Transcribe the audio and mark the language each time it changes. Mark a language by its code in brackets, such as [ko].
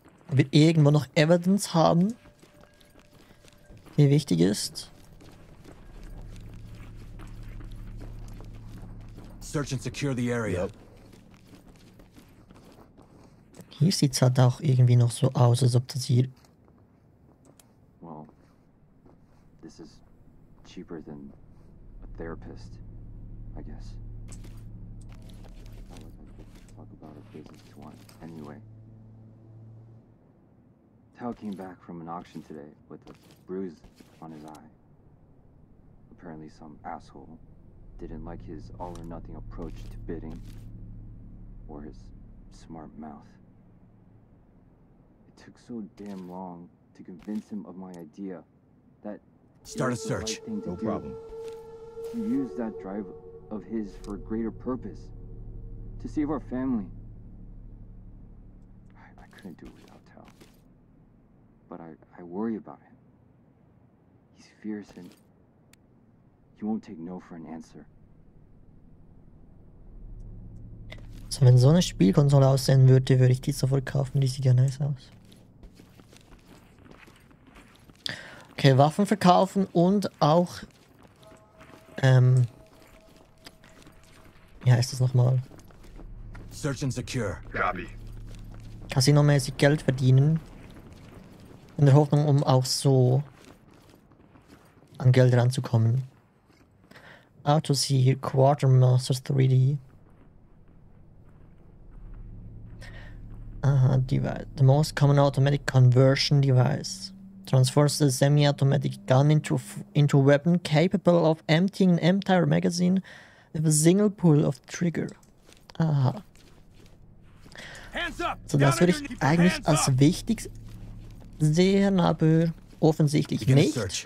[de] Wir irgendwo noch Evidence haben, die wichtig ist. [en] Search and secure the area. Yep. [de] Hier sieht es halt auch irgendwie noch so aus, als ob das hier. [en] Well, this is cheaper than a therapist, I guess. I wasn't going to talk about a business to one. Anyway. Tao came back from an auction today with a bruise on his eye. Apparently some asshole didn't like his all-or-nothing approach to bidding or his smart mouth. It took so damn long to convince him of my idea that start a search. No problem. You used that drive of his for a greater purpose. to save our family. I couldn't do it without Tal. But I worry about him. He's fierce and he won't take no for an answer. [de] So, wenn so eine Spielkonsole aussehen würde, würde ich die sofort kaufen. Die sieht ja nice aus. Okay, Waffen verkaufen und auch wie heißt das nochmal? [en] Search and secure. Copy. [de] Casino-mäßig Geld verdienen. In der Hoffnung, um auch so an Geld ranzukommen. Autos hier, Quartermasters 3D. [en] Aha, device. The most common automatic conversion device. Transforms the semi-automatic gun into weapon capable of emptying an entire magazine with a single pull of trigger. Aha. Hands up! [de] So, das würde ich eigentlich als wichtig sehen, aber offensichtlich nicht.